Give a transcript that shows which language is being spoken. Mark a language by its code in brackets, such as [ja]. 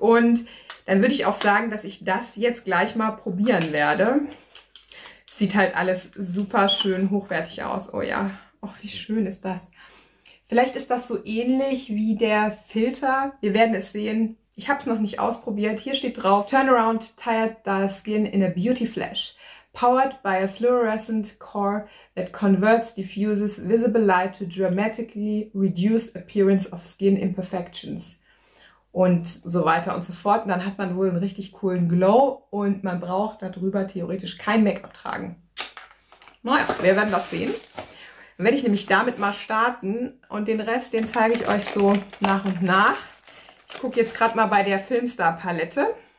[de] Und dann würde ich auch sagen, dass ich das jetzt gleich mal probieren werde. Sieht halt alles super schön hochwertig aus. Oh ja, ach wie schön ist das. Vielleicht ist das so ähnlich wie der Filter. Wir werden es sehen. Ich habe es noch nicht ausprobiert. Hier steht drauf, [en] Turnaround Tired Dull Skin in a Beauty Flash. Powered by a fluorescent core that converts, diffuses visible light to dramatically reduce appearance of skin imperfections. [de] Und so weiter und so fort. Und dann hat man wohl einen richtig coolen Glow und man braucht darüber theoretisch kein Make-up tragen. Naja, wir werden das sehen. Dann werde ich nämlich damit mal starten und den Rest, den zeige ich euch so nach und nach. Ich gucke jetzt gerade mal bei der Filmstar-Palette.